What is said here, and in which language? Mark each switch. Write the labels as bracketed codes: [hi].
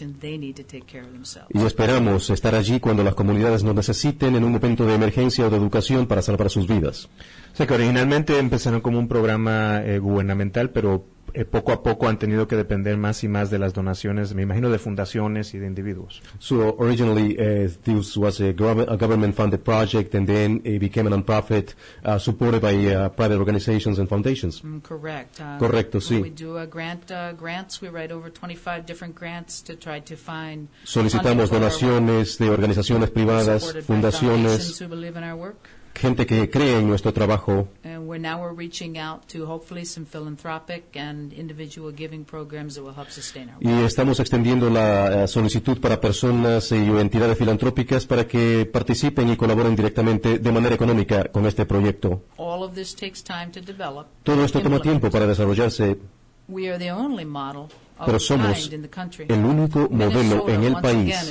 [es] Y esperamos estar allí cuando las comunidades nos necesiten en un momento de emergencia o de educación para salvar sus vidas. Sé que originalmente empezaron como un programa gubernamental, pero poco a poco han tenido que depender más y más de las donaciones, me imagino, de fundaciones y de individuos. [en] So originally this was a government funded project and then it became a non-profit supported by private organizations and foundations. Correct. [es] Correcto, sí. [en] We do a grants, we write over 25 different grants to try to find. [es] Solicitamos donaciones de organizaciones privadas, fundaciones. [en] Who believe in our work. [es] Gente que cree en nuestro trabajo. [en] We're reaching out to hopefully some philanthropic and individual giving programs that will help sustain our work. [es] Y estamos extendiendo la solicitud para personas y entidades filantrópicas para que participen y colaboren directamente de manera económica con este proyecto. [en] All of this takes time to develop. [es] Todo esto toma tiempo para desarrollarse. [en] We are the only model. [es] Pero somos el único modelo en el país.